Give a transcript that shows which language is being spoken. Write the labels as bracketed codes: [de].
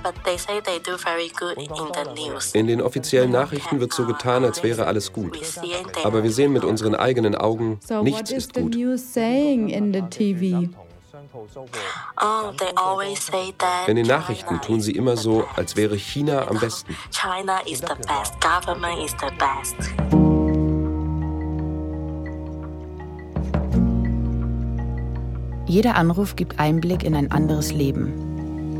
[en] But they say they do very good in the news. [de] In den offiziellen Nachrichten wird so getan, als wäre alles gut. Aber wir sehen mit unseren eigenen Augen, nichts ist gut. [en] So what is the news saying in the TV? Oh, they always say that. [de] In den Nachrichten tun sie immer so, als wäre China am besten. [en] China is the best. Government is the best. [de] Jeder Anruf gibt Einblick in ein anderes Leben.